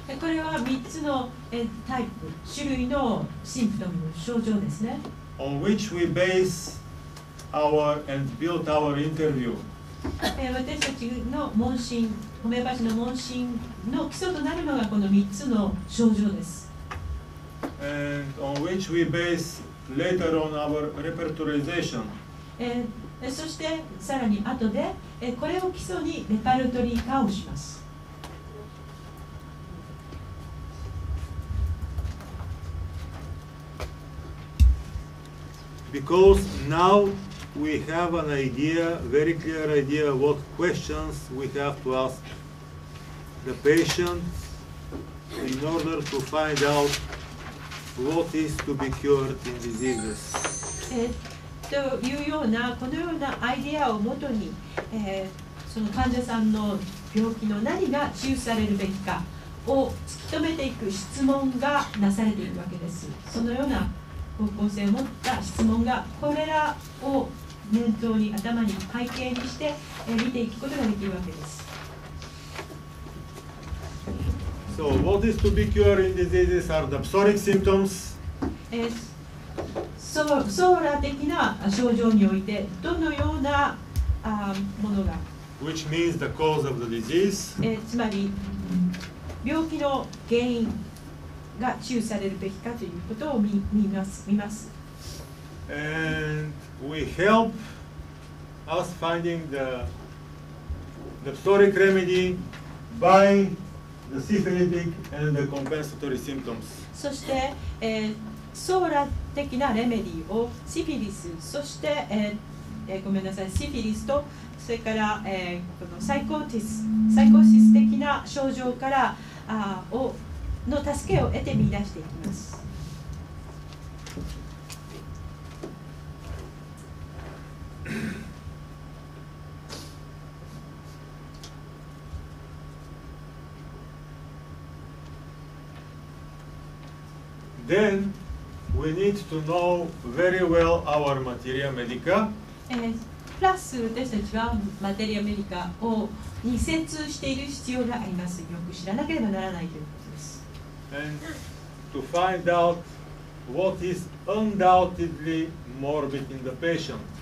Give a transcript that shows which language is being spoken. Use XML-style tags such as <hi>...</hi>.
<ja>これは3つのタイプ、種類のシンプトム、症状ですね。</ja> <en>On which we base our and built our interview.</en> <ja>私たちの問診、ホメオパシーの問診の基礎となるのがこの3つの症状です。</ja> <en>And on which we base later on our repertorization.</en> <ja>そしてさらに後で、これを基礎にレパルトリー化をします。</ja> <en>Because now we have an idea, very clear idea, what questions we have to ask the patient in order to find out what is to be cured in diseases.</en> <ja>というような、このようなアイデアをもとに、その患者さんの病気の何が治癒されるべきかを突き止めていく質問がなされているわけです。そのような方向性を持った質問がこれらを念頭に頭に背景にして見ていくことができるわけです。</ja> <en>So what is to be cured in diseases are the psoriatic symptoms.</en> <ja>ソーラ的な症状においてどのようなものが。</ja> <en>Which means the cause of the disease.</en> <ja>つまり病気の原因。が治癒されるべきかということを見ます。</ja> <en>And we help us finding the psoriatic remedy by the syphilitic and the compensatory symptoms.</en> <ja>そして、ソーラ的なレメディをシフィリス、そして、ごめんなさい、シフィリスとそれから、このサイコーシス的な症状からをの助けを得て見出していきます。</ja> <en>Then we need to know very well our materia medica.</en> <ja>プラス私たちはマテリアメディカをに精通している必要があります。よく知らなければならないという。</ja> <en>And to find out what is undoubtedly morbid in the patient.</en>